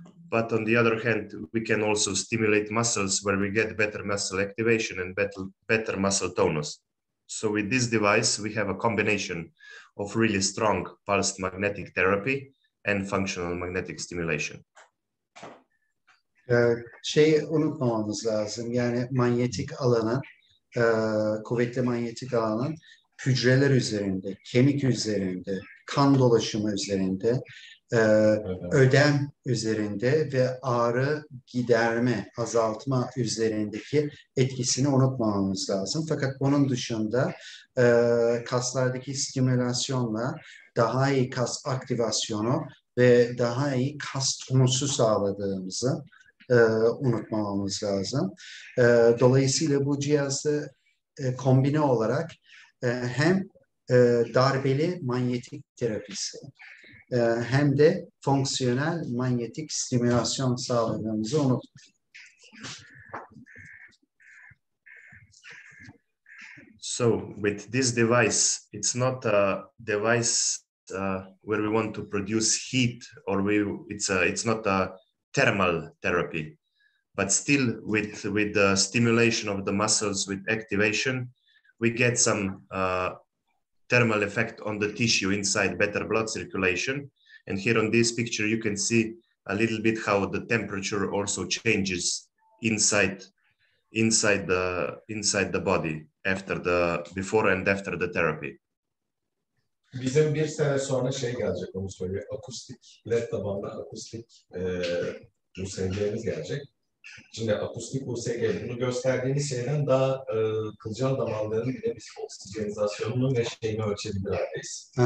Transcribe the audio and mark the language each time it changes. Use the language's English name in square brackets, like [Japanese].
[English] But on the other hand, we can also stimulate muscles where we get better muscle activation and better muscle tonus. So with this device, we have a combination of really strong pulsed magnetic therapy and functional magnetic stimulation. [Turkish] Şeyi unutmamamız lazım, yani manyetik alanın, kuvvetli manyetik alanın hücreler üzerinde, kemik üzerinde, kan dolaşımı üzerinde, ödem üzerinde ve ağrı giderme, azaltma üzerindeki etkisini unutmamamız lazım. Fakat bunun dışında kaslardaki stimülasyonla daha iyi kas aktivasyonu ve daha iyi kas tonusu sağladığımızı unutmamamız lazım. Dolayısıyla bu cihazı kombine olarak hem darbeli manyetik terapisi hem de fonksiyonel manyetik stimülasyon sağladığımızı unutmayın. [English] So with this device, it's not a device where we want to produce heat, or it's not a thermal therapy, but still with the stimulation of the muscles, with activation, we get some thermal effect on the tissue inside, better blood circulation. And here on this picture, you can see a little bit how the temperature also changes inside the body before and after the therapy. [Turkish] Bizim bir sene sonra şey gelecek, onu söyleyeyim. Akustik, led tabanlı akustik USG'miz gelecek. Şimdi akustik USG, bunu gösterdiğiniz şeyden daha kılcal damarların bile biz oksijenizasyonunu ve şeyini ölçebiliriz.